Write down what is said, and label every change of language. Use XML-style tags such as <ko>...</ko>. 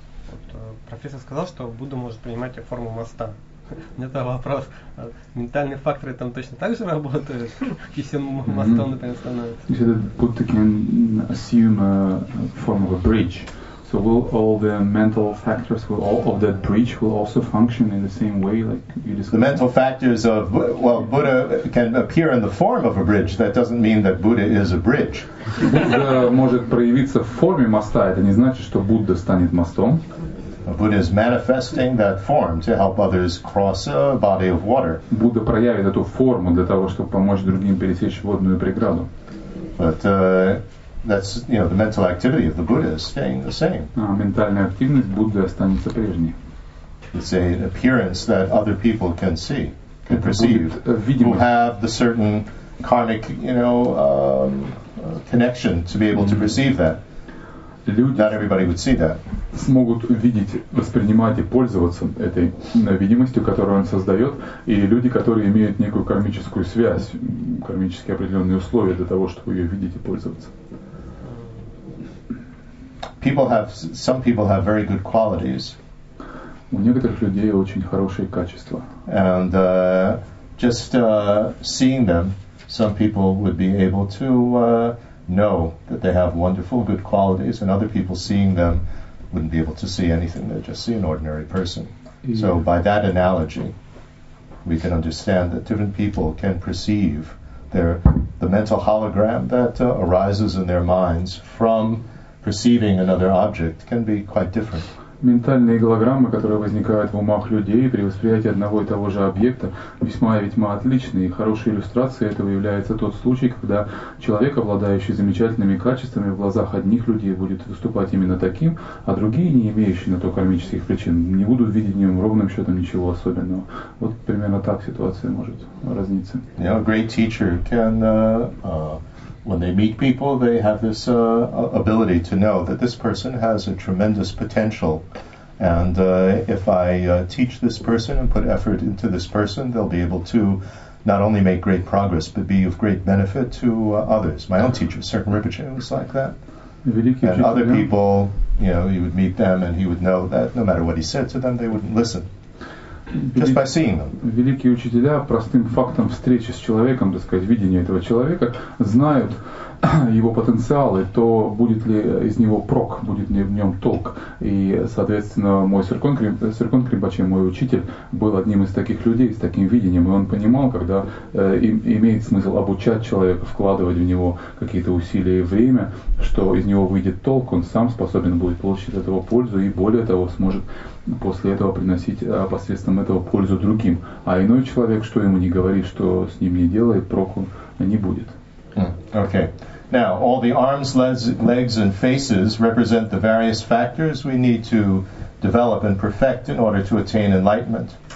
<ru>Вот профессор сказал, что Будда может принимать форму моста. У меня там вопрос. Ментальные факторы там точно так же работают? Если он мостом, например, становится? Если</ru> <en>Будда can assume a form of a bridge, so will all the mental factors, will all of that bridge will also function in the same way, like you described? The mental factors of, well, Buddha can appear in the form of a bridge. That doesn't mean that Buddha is a bridge.</en> <ru>Будда может проявиться в форме моста. Это не значит, что Будда станет мостом.</ru> <en>Buddha is manifesting that form to help others cross a body of water.</en> <ru>Будда проявит эту форму для того, чтобы помочь другим пересечь водную преграду.</ru> <en>But, that's, you know, the mental activity of the Buddha is staying the same.</en> <ru>А ментальная активность Будды останется прежней.</ru> <en>It's an appearance that other people can see, can perceive,</en> <ru>видимость.</ru> <en>Who have the certain karmic, you know, connection to be able to perceive that.</en> <ru>Люди</ru> <en>not everybody would see that.</en> <ru>Смогут видеть, воспринимать и пользоваться этой видимостью, которую он создает, и люди, которые имеют некую кармическую связь, кармические определенные условия для того, чтобы ее видеть и пользоваться.</ru> <en>Some people have very good qualities.</en> <ru>У некоторых людей очень хорошие качества.</ru> <en>And seeing them, some people would be able to know that they have wonderful good qualities, and other people seeing them wouldn't be able to see anything. They'd just see an ordinary person. Yeah. So by that analogy, we can understand that different people can perceive the mental hologram that arises in their minds from perceiving another object can be quite different.</en> <ru>Ментальные голограммы, которые возникают в умах людей при восприятии одного и того же объекта, весьма и весьма отличные. Хорошей иллюстрацией этого является тот случай, когда человек, обладающий замечательными качествами, в глазах одних людей будет выступать именно таким, а другие, не имеющие на то кармических причин, не будут видеть в нем ровным счетом ничего особенного. Вот примерно так ситуация может разниться.</ru> <en>You know, a great teacher can when they meet people, they have this ability to know that this person has a tremendous potential. And if I teach this person and put effort into this person, they'll be able to not only make great progress, but be of great benefit to others. My own teacher, Serkan Rinpoche, was like that. And other people, you know, he would meet them and he would know that no matter what he said to them, they wouldn't listen. Just by seeing them.</en> <ru>Великие учителя простым фактом встречи с человеком, так сказать, видения этого человека, знают его потенциал и то, будет ли из него прок, будет ли в нем толк. И, соответственно, мой Серкон Кримбаче, мой учитель, был одним из таких людей, с таким видением. И он понимал, когда имеет смысл обучать человека, вкладывать в него какие-то усилия и время, что из него выйдет толк, он сам способен будет получить от этого пользу и, более того, сможет после этого приносить посредством этого пользу другим. А иной человек, что ему не говори, что с ним не делай, проку не будет.</ru> <en>Okay. Now, all the arms, legs, and faces represent the various factors we need to develop and perfect in order to attain enlightenment.</en>